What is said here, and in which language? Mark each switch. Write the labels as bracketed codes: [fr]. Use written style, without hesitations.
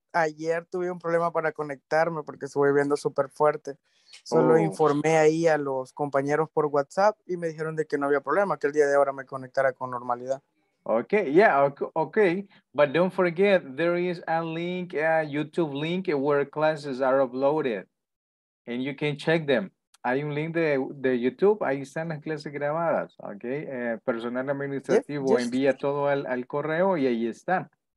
[es] Ayer tuve un problema para conectarme porque estuve viendo súper fuerte. Solo informé ahí a los compañeros por WhatsApp y me dijeron de que no había problema, que el día de ahora me conectara con normalidad. [en] Okay, yeah, okay. But don't forget, there is a link, a YouTube link where classes are uploaded and you can check them. [es] Hay un link de YouTube, ahí están las clases grabadas, okay? Personal administrativo envía todo al correo y ahí están.